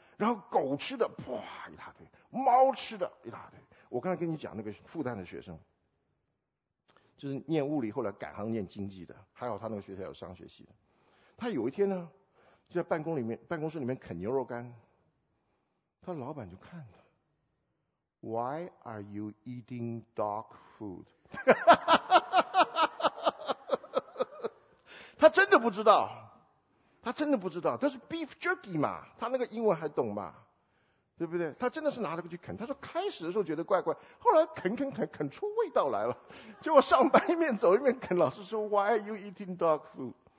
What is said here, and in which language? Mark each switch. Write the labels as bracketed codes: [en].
[zh] 然后狗吃的，哇，一大堆；猫吃的，一大堆。我刚才跟你讲那个复旦的学生，就是念物理后来改行念经济的，还好他那个学校有商学系的。他有一天呢，就在办公室里面啃牛肉干，他老板就看他。 [en] Why are you eating dog food? [zh] 他真的不知道，他真的不知道，他是 beef jerky 嘛，他那个英文还懂嘛，对不对？他真的是拿了个去啃，他说开始的时候觉得怪怪，后来啃出味道来了，结果上班一面走一面啃，老师说 [en] Why are you eating dog food?